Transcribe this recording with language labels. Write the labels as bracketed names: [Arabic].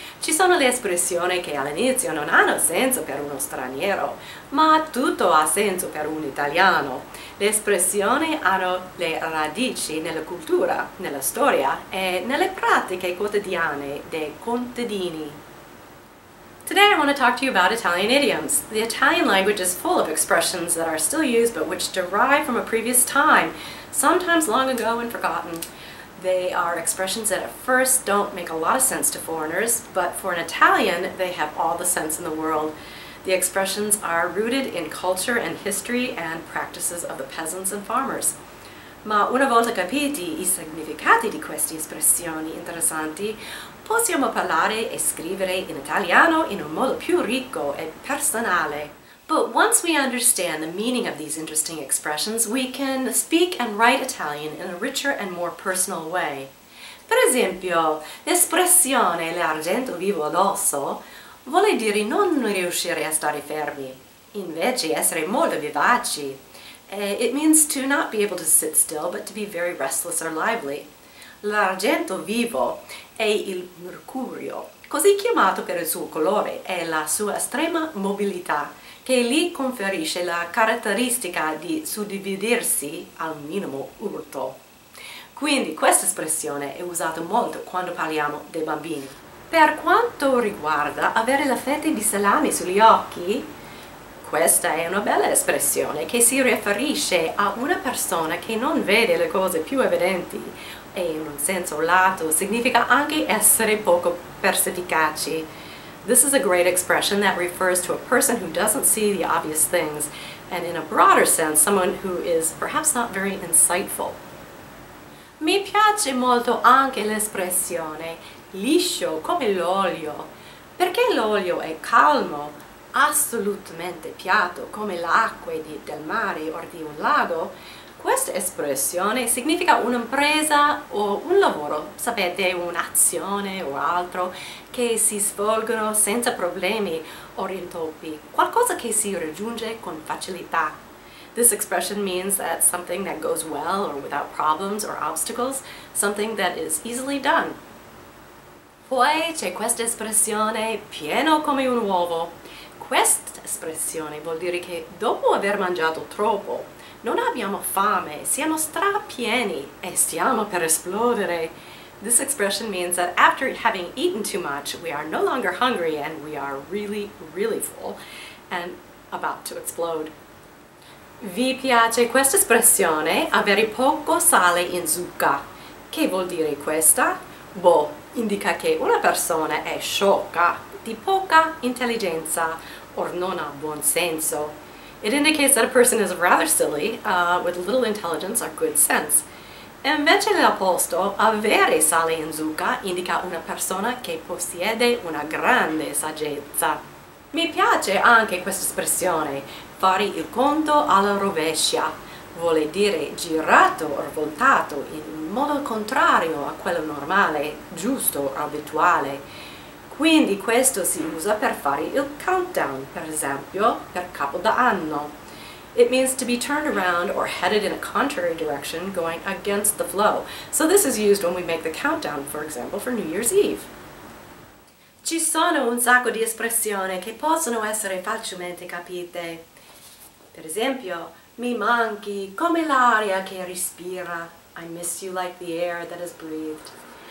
[Italian] Ci sono le espressioni che all'inizio non hanno senso per uno straniero, ma tutto ha senso per un italiano. Le espressioni hanno le radici nella cultura, nella storia e nelle pratiche quotidiane dei contadini. [English] Today I want to talk to you about Italian idioms. The Italian language is full of expressions that are still used but which derive from a previous time, sometimes long ago and forgotten. They are expressions that at first don't make a lot of sense to foreigners, but for an Italian, they have all the sense in the world. The expressions are rooted in culture and history and practices of the peasants and farmers. [Italian] Ma una volta capiti i significati di queste espressioni interessanti, possiamo parlare e scrivere in italiano in un modo più ricco e personale. [English] But once we understand the meaning of these interesting expressions, we can speak and write Italian in a richer and more personal way. [Italian] Per esempio, l'espressione l'argento vivo addosso vuole dire non riuscire a stare fermi, invece essere molto vivaci. [English] It means to not be able to sit still, but to be very restless or lively. [Italian] L'argento vivo è il mercurio, così chiamato per il suo colore e la sua estrema mobilità, che gli conferisce la caratteristica di suddividersi al minimo urto. Quindi questa espressione è usata molto quando parliamo dei bambini. Per quanto riguarda avere le fette di salame sugli occhi, questa è una bella espressione che si riferisce a una persona che non vede le cose più evidenti e in un senso lato significa anche essere poco perspicaci. [English] This is a great expression that refers to a person who doesn't see the obvious things and in a broader sense someone who is perhaps not very insightful. [Italian] Mi piace molto anche l'espressione liscio come l'olio, perché l'olio è calmo, assolutamente piatto come l'acqua del mare o di un lago. Questa espressione significa un'impresa o un lavoro, sapete, un'azione o altro, che si svolgono senza problemi o rintoppi, qualcosa che si raggiunge con facilità. [English] This expression means that something that goes well or without problems or obstacles, something that is easily done. [Italian] Poi c'è questa espressione, pieno come un uovo. Questa espressione vuol dire che dopo aver mangiato troppo, non abbiamo fame, siamo strapieni e stiamo per esplodere. [English] This expression means that after having eaten too much, we are no longer hungry and we are really, really full and about to explode. [Italian] Vi piace questa espressione, avere poco sale in zucca? Che vuol dire questa? Boh, indica che una persona è sciocca, di poca intelligenza o non ha buon senso. [English] It indicates that a person is rather silly, with little intelligence or good sense. [Italian] Invece l'opposto, avere sale in zucca, indica una persona che possiede una grande saggezza. Mi piace anche questa espressione, fare il conto alla rovescia. vuole dire girato o voltato in modo contrario a quello normale, giusto o abituale. Quindi questo si usa per fare il countdown, per esempio, per Capodanno. [English] It means to be turned around or headed in a contrary direction, going against the flow. So this is used when we make the countdown, for example, for New Year's Eve. [Italian] Ci sono un sacco di espressioni che possono essere facilmente capite. Per esempio, mi manchi come l'aria che respira. [English] I miss you like the air that is breathed.